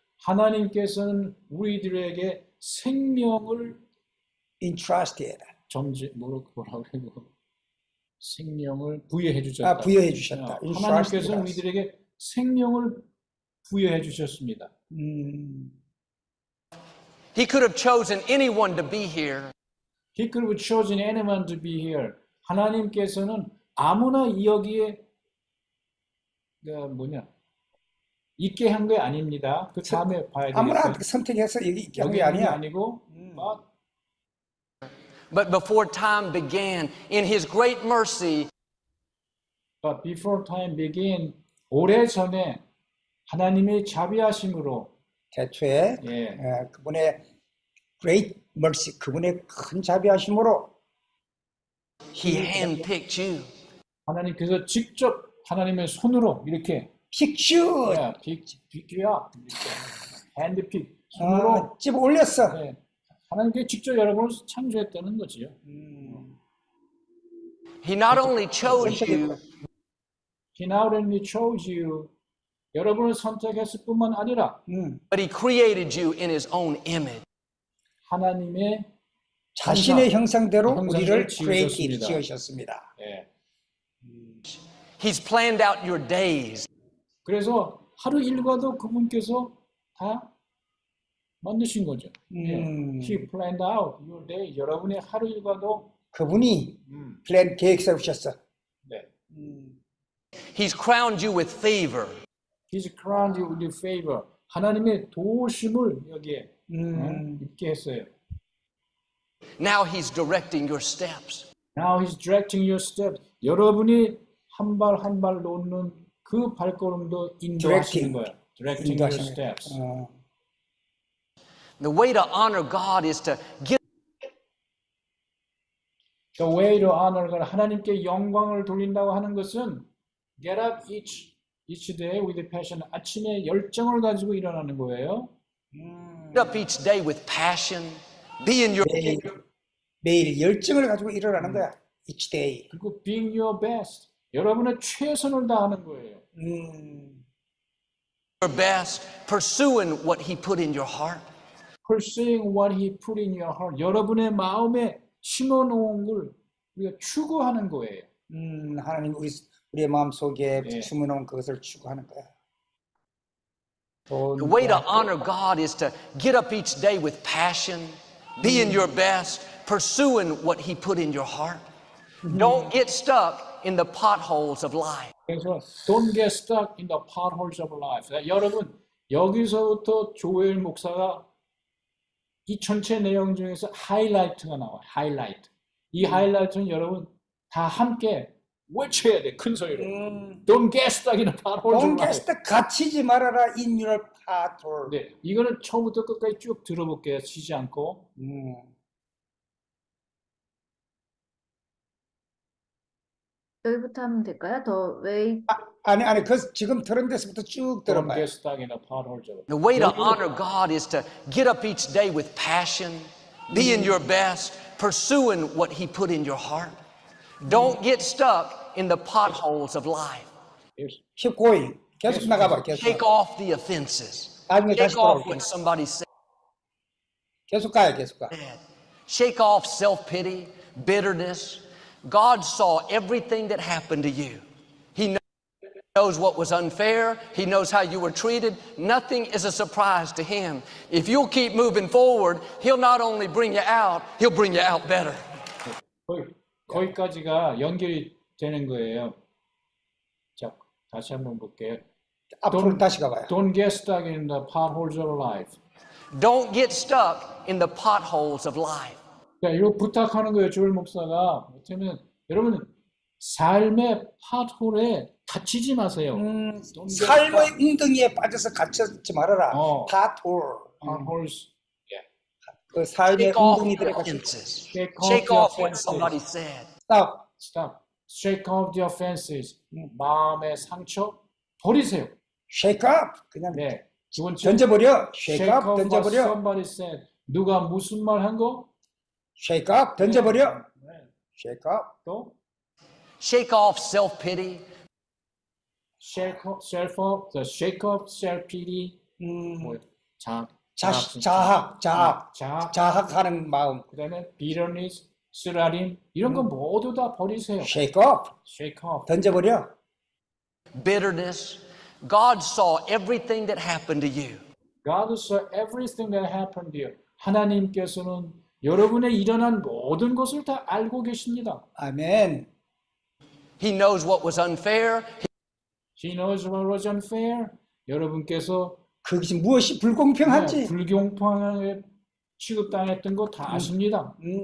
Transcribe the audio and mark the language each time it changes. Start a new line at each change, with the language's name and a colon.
Korean: 하나님께서는 우리들에게 생명을
English: entrusted.
Korean: 점지 뭐라고 해요? 생명을 부여해 주셨다. 아, 부여해 주셨다. 하나님께서 우리들에게 생명을 부여해 주셨습니다.
English: He could have chosen anyone to be here. He could have chosen anyone to be here.
Korean: 하나님께서는 아무나 여기에 뭐냐 있게 한 게 아닙니다. 그 다음에 봐야 되겠어요. 아무나 선택해서 여기 있게 한 게 아니야. 아니고,
English: But before time began, in His great mercy. But before time began,
Korean: 오래 전에 하나님의 자비하심으로 대초에 예. 그분의
English: great mercy,
Korean: 그분의 큰 자비하심으로
English: He handpicked you.
Korean: 하나님께서 직접 하나님의 손으로 이렇게
English: picked you. Yeah, picked you up. Handpick
Korean: 손으로 집어 올렸어. 예. 하나님께서 직접 여러분을 창조했다는 거지요.
English: He not only chose you. He not only chose you.
Korean: 여러분을 선택했을 뿐만 아니라
English: But he created you in his own image.
Korean: 하나님의 자신의 형상대로 우리를 지으셨습니다. 예.
English: He's planned out your days.
Korean: 그래서 하루 일과도 그분께서 다 만드신 거죠.
English: He planned out your day.
Korean: 여러분의 하루 일과도 그분이 플랜 계획 세우셨어. 네.
English: He's crowned you with favor. He's crowned you with favor.
Korean: 하나님의 도우심을 여기에 있게 했어요.
English: Now he's directing your steps. Now he's directing your steps.
Korean: 여러분이 한 발 한 발 놓는 그 발걸음도 인도하시는 거예요.
English: Directing your steps. The way to honor God is to give. The way to honor God,
Korean: 하나님께 영광을 돌린다고 하는 것은
English: get up each day with a passion.
Korean: 아침에 열정을 가지고 일어나는 거예요.
English: Get up each day with passion. Be in your
Korean: 매일 열정을 가지고 일어나는 거야.
English: Each day.
Korean: 그리고
English: being your best.
Korean: 여러분의 최선을 다하는 거예요.
English: Your best, pursuing what He put in your heart. Pursuing what He put in your heart.
Korean: 여러분의 마음에 심어놓은 걸 우리가 추구하는 거예요. 하나님 우리의 마음 속에 심어놓은 그것을 추구하는 거야.
English: The way to honor God is to get up each day with passion. Being your best, pursuing what He put in your heart. Don't get stuck in the potholes of life. Don't get stuck in the potholes of life.
Korean: 여러분, 여기서부터 조엘 목사가 이 전체 내용 중에서 하이라이트가 나와요. 하이라이트. 이 하이라이트는 여러분 다 함께 외쳐야 돼, 큰 소리로.
English: Don't get stuck in the potholes Don't get stuck,
Korean: 갇히지 말아라,
English: in your pothole.
Korean: 네, 이거는 처음부터 끝까지 쭉 들어볼게요, 쉬지 않고.
English: Don't get stuck in the potholes.
Korean: 아니, 그 지금 들은 데서부터 쭉 들어봐요.
English: Don't get stuck in the potholes. The way to honor God is to get up each day with passion, being your best, pursuing what He put in your heart. Don't get stuck in the potholes of life. Keep going.
Korean: 계속 나가봐. 계속.
English: Take off the offenses.
Korean: 아니,
English: Take off what somebody said.
Korean: 계속 가요. 계속 가.
English: Shake off self-pity, bitterness. God saw everything that happened to you. He knows what was unfair. He knows how you were treated. Nothing is a surprise to Him. If you'll keep moving forward, He'll not only bring you out, He'll bring you out better.
Korean: 거기까지가 연결이 되는 거예요. 자, 다시 한번 볼게요. 앞으로 다시 가봐요.
English: Don't get stuck in the potholes of life. Don't get stuck in the potholes of life.
Korean: 자, 이거 부탁하는 거예요, 주일 목사가. 왜냐면 여러분 삶의 파트홀에 갇히지 마세요. 삶의 웅덩이에 빠져서 갇혀지 말아라. 파트홀.
English: Potholes.
Korean: 그 삶의 흥분이들의
English: offenses. Shake off what somebody said. Stop. Stop. Shake off the offenses.
Korean: 마음의 상처 버리세요.
English: Shake up.
Korean: 그냥 네. 던져버려.
English: Shake up.
Korean: 던져버려.
English: Shake off what somebody said.
Korean: 누가 무슨 말 한 거?
English: Shake up.
Korean: 던져버려. 네.
English: Shake up.
Korean: 또.
English: Shake off self-pity. Shake off self-pity. The shake off self-pity.
Korean: 자. 자학하는 마음. 그 다음에
English: bitterness,
Korean: 쓰라림 이런 거 모두 다 버리세요.
English: Shake off. Shake off.
Korean: 던져버려.
English: Bitterness. God saw everything that happened to you. God saw everything that happened to you.
Korean: 하나님께서는 여러분의 일어난 모든 것을 다 알고 계십니다. 아멘.
English: He knows what was unfair. He knows what was unfair.
Korean: 여러분께서 그것이 무엇이 불공평한지 불공평하게 취급당했던 거 다 아십니다.